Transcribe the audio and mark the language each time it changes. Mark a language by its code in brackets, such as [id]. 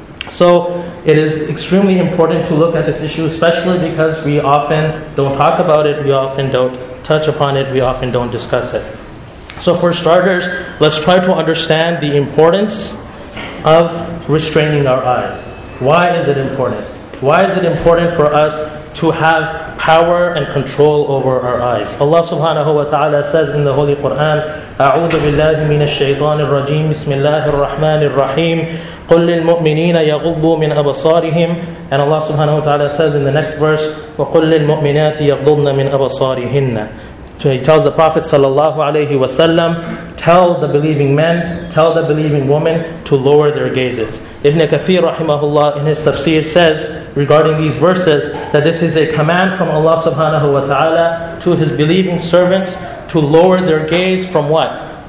[en] So it is extremely important to look at this issue, especially because we often don't talk about it, we often don't touch upon it, we often don't discuss it. So for starters, let's try to understand the importance of restraining our eyes. Why is it important? Why is it important for us to have power and control over our eyes? Allah subhanahu wa ta'ala says in the Holy Quran, [ar] أَعُوذُ بِاللَّهِ مِنَ الشَّيْطَانِ الرَّجِيمِ بِسْمِ اللَّهِ الرَّحْمَنِ الرَّحِيمِ قُلْ لِلْمُؤْمِنِينَ يَغُضُّوا مِنْ أَبَصَارِهِمْ. [en] And Allah subhanahu wa ta'ala says in the next verse, [ar] وَقُلْ لِلْمُؤْمِنَاتِ يَغْضُضْنَ مِنْ أَبَصَارِهِنَّ. [en] He tells the Prophet sallallahu alayhi wasallam, tell the believing men, tell the believing women to lower their gazes. Ibn Kathir rahimahullah in his tafsir says regarding these verses that this is a command from Allah subhanahu wa ta'ala to his believing servants to lower their gaze from what?